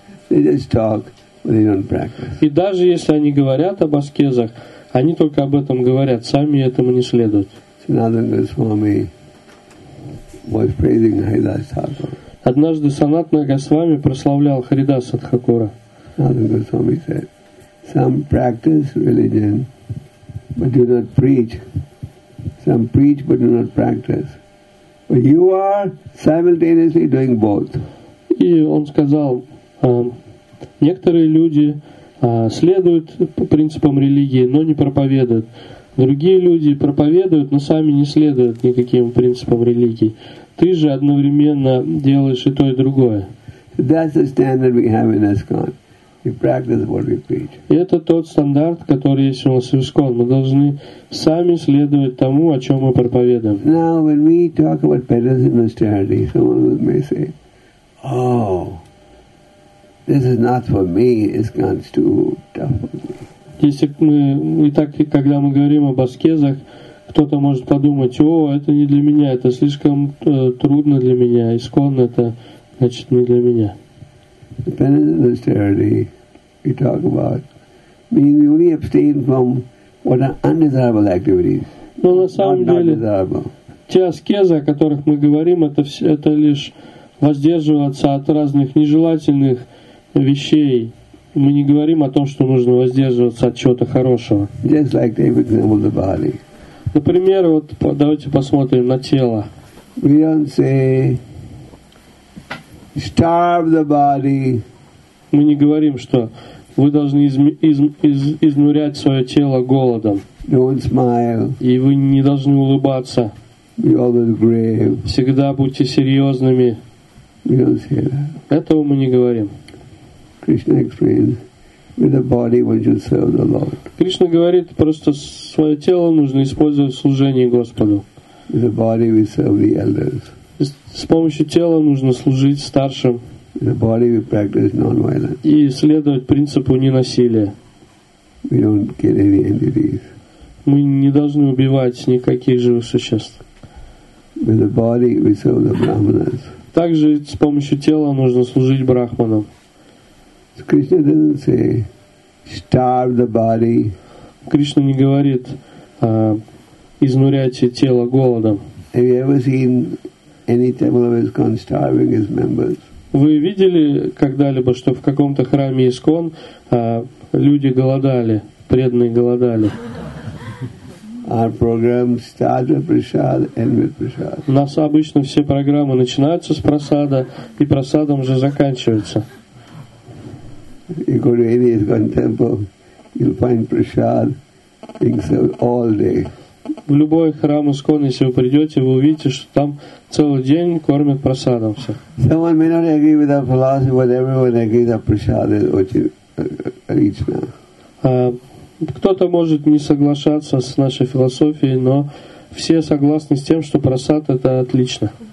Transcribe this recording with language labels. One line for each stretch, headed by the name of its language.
Russian: И даже если они говорят об аскезах, они только об этом говорят, сами этому не следуют.
English: Sanatana Goswami was praising Haridasa Thakura.
Russian: Однажды Санатана Госвами прославлял Харидаса Тхакура.
English: Sanatana Goswami said, some practice religion but do not preach. Some preach but do not practice. But you are simultaneously doing both.
Russian: И он сказал, некоторые люди следуют принципам религии, но не проповедуют. Другие люди проповедуют, но сами не следуют никаким принципам религии. Ты же одновременно делаешь и то, и другое.
English: That's the standard we have in ISKCON. We practice what we preach.
Russian: Это тот стандарт, который есть у нас в ISKCON. Мы должны сами следовать тому, о чем мы проповедуем.
English: Now, when we talk about penance and austerity, some of us may say, oh, this is not for me, ISKCON's too tough for me.
Russian: Если мы, и так, когда мы говорим об аскезах, кто-то может подумать, о, это не для меня, это слишком трудно для меня, ISKCON это, значит, не для меня.
English: Penance and austerity we talk about means we only abstain from what are undesirable activities.
Russian: Но на самом деле, те аскезы, о которых мы говорим, это все, это лишь воздерживаться от разных нежелательных вещей. Мы не говорим о том, что нужно воздерживаться от чего-то хорошего.
English: Just like they examine the body.
Russian: Например, вот давайте посмотрим на тело.
English: We don't say starve the body.
Russian: Мы не говорим, что вы должны изнурять свое тело голодом.
English: Don't smile.
Russian: И вы не должны улыбаться.
English: Be always grave.
Russian: Всегда будьте серьезными.
English: We don't say that.
Russian: Этого мы не говорим.
English: Krishna explains, with the body we should serve the Lord.
Russian: Кришна говорит, просто свое тело нужно использовать в служении Господу.
English: With the body we serve the elders.
Russian: С помощью тела нужно служить старшим.
English: With the body we practice non-violence.
Russian: И следовать принципу ненасилия.
English: We don't kill any entities.
Russian: Мы не должны убивать никаких живых существ.
English: With the body we serve the brahmanas.
Russian: Также с помощью тела нужно служить брахманам.
English: So Krishna doesn't say, starve the body.
Russian: Кришна не говорит, изнуряйте тело голодом.
English: Have you ever seen any temple of ISKCON starving its members?
Russian: Вы видели когда-либо, что в каком-то храме ИСКОН люди голодали, преданные голодали?
English: Our program starts with prasad, ends with prasad.
Russian: У нас обычно все программы начинаются с прасада и прасадом же заканчиваются.
English: You go to any ISKCON temple, you'll find prasad being served all day.
Russian: В любой храм ИСКОН, если вы придете, вы увидите, что там целый день кормят прасадом все.
English: Someone may not agree with our philosophy, but everyone agrees that prasad is
Russian: очень лично. Кто-то может не соглашаться с нашей философией, но все согласны с тем, что прасад — это отлично.